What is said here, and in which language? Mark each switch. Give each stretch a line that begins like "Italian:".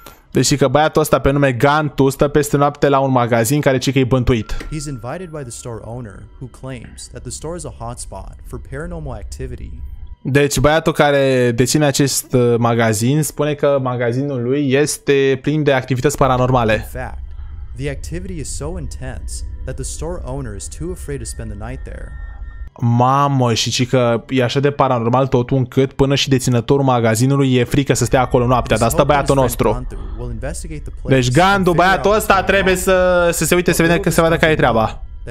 Romanian: Deci că băiatul ăsta pe nume Gantu stă peste noapte la un magazin care zice că e bântuit.
English: He's invited by the store owner who claims that the store is a hotspot for paranormal activity.
Romanian: Deci băiatul care deține acest magazin spune că magazinul lui este plin de activități paranormale.
English: In fact, the activity is so intense that the store owner is too afraid to spend the night there.
Romanian: Mamă, și zic că e așa de paranormal totul încât până și deținătorul magazinului e frică să stea acolo noaptea. Dar asta băiatul nostru. Deci Gandu, băiatul ăsta trebuie să se uite, să vede că se vadă care e treaba.